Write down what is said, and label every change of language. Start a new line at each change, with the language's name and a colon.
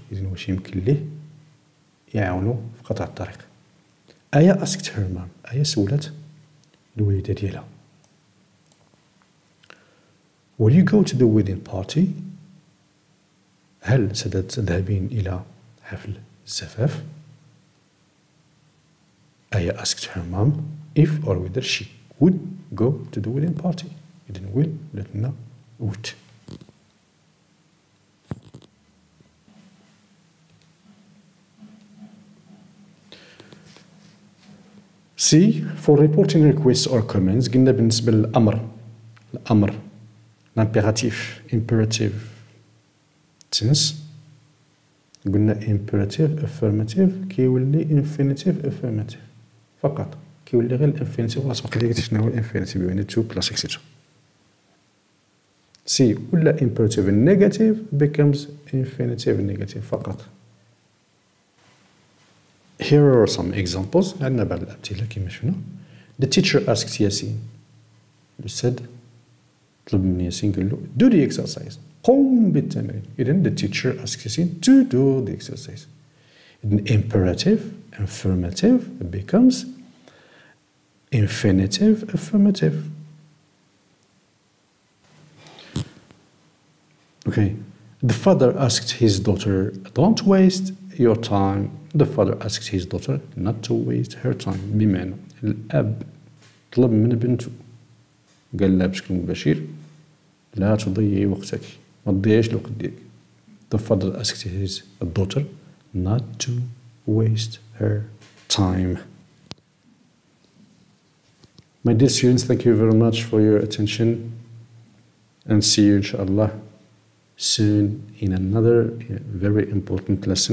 Arabic: إذن واش يمكن ليه يعاونو في قطع الطريق. أيا
English: asked her mom،
Arabic: أيا سولت الوالدة ديالها
English: will you go to the wedding party،
Arabic: هل ستذهبين إلى حفل الزفاف.
English: أيا asked her mom if or whether she would go to the wedding party.
Arabic: إذن will لتنا would.
English: C for reporting requests or comments.
Arabic: قلنا بالنسبة للأمر، الأمر الامبيراتيف imperative tense. قلنا imperative affirmative كيولي infinitive affirmative فقط، كيولي غير infinitive خلاص. وقلنا شنو هو infinitive يعني 2 plus etc.
English: C ولا imperative negative becomes infinitive negative فقط. Here are some examples.
Arabic: عندنا بعض الأمثلة كيما شفنا.
English: The teacher asked Yasin.
Arabic: الأستاذ طلب من ياسين قال له
English: do the exercise.
Arabic: قم بالتمرين.
English: إذن the teacher asked Yasin to do the exercise. إذن imperative affirmative becomes infinitive affirmative. Okay. The father asked his daughter don't waste your time. The father asks his daughter not to waste her time.
Arabic: بمعنى الأب طلب من بنته قال لها بشكل مباشر لا تضيعي وقتك، ما تضيعيش الوقت ديالك.
English: The father asks his daughter not to waste her time. My dear students, thank you very much for your attention and see you inshallah soon in another very important lesson.